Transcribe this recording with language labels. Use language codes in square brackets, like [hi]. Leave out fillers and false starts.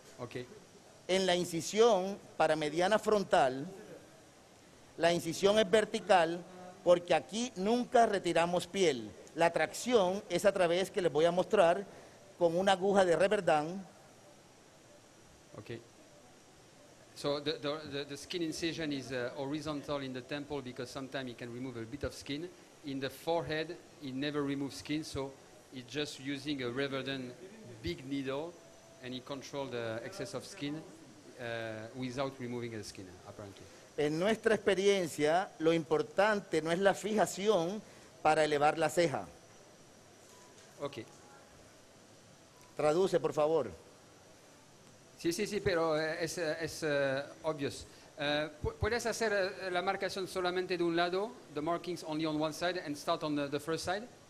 [en] Okay. [es] En la incisión para mediana frontal, la incisión es vertical porque aquí nunca retiramos piel. La tracción es a través que les voy a mostrar con una aguja de Reverdan. Okay. [en] So the skin incision is horizontal in the temple because sometimes you can remove a bit of skin. In the forehead, it never removes skin, so it's just using a Reverdan big needle and it controls the excess of skin without removing the skin, apparently. [es] En nuestra experiencia, lo importante no es la fijación para elevar la ceja. Ok. Traduce, por favor. Sí, sí, sí, pero es obvio. ¿Puedes hacer la marcación solamente de un lado, [en] the markings only on one side, and start on the first side?